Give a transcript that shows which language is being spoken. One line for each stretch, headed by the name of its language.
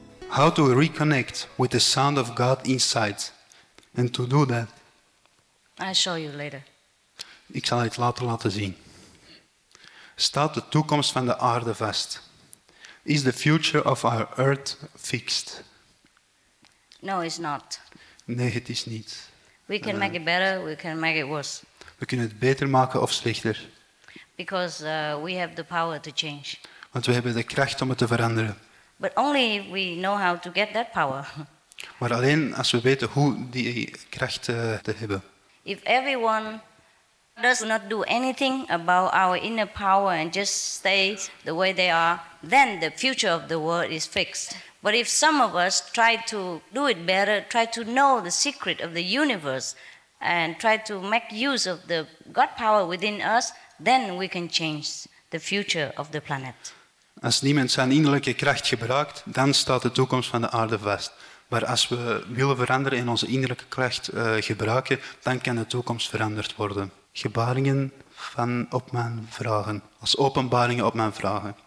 English: How to reconnect with the sound of God inside, and to do that. I'll show you later.
Dutch: Ik zal het later laten zien. Staat de toekomst van de aarde vast? Is the future of our earth fixed?
English: No, it's not.
Dutch: Nee, het is niet.
English: We can make it better, we can make it worse.
Dutch: We kunnen het beter maken of slechter.
English: Because we have the power to change.
Dutch: Want we hebben de kracht om het te veranderen.
English: But only if we know how to get that power.
Dutch: Maar alleen als we weten hoe die kracht te hebben.
English: If everyone does not do anything about our inner power and just stays the way they are, then the future of the world is fixed. But if some of us try to do it better, try to know the secret of the universe and try to make use of the God power within us, then we can change the future of the planet.
Dutch: Als niemand zijn innerlijke kracht gebruikt, dan staat de toekomst van de aarde vast. Maar als we willen veranderen en onze innerlijke kracht gebruiken, dan kan de toekomst veranderd worden. Gebaringen van op mijn vragen. Als openbaringen op mijn vragen.